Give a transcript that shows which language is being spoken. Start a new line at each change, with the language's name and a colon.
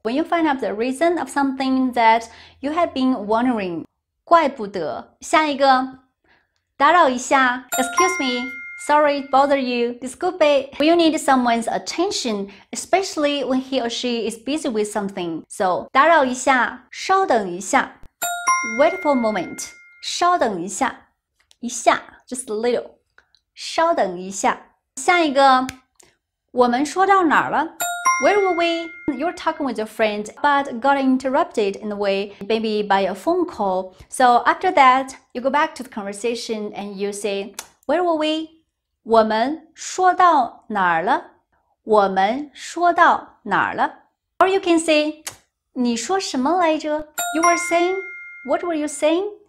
English: When you find out the reason of something that you have been wondering.
Chinese: 怪不得。下一个，打扰一下。
English: Excuse me. Sorry to bother you.
Spanish: Disculpe.
English: When you need someone's attention, especially when he or she is busy with something.
Chinese: So, 打扰一下，稍等一下。
English: Wait for a moment.
Chinese: 稍等一下。一下，
English: just a little.
Chinese: 稍等一下。下一个，我们说到哪儿了？
English: Where were we? You're talking with your friend, but got interrupted in a way, maybe by a phone call. So, after that, you go back to the conversation and you say, Where were we?
Chinese: 我们说到哪儿了？我们说到哪儿了 ？
English: Or you can say,
Chinese: 你说什么来着 ？
English: You were saying, what were you saying?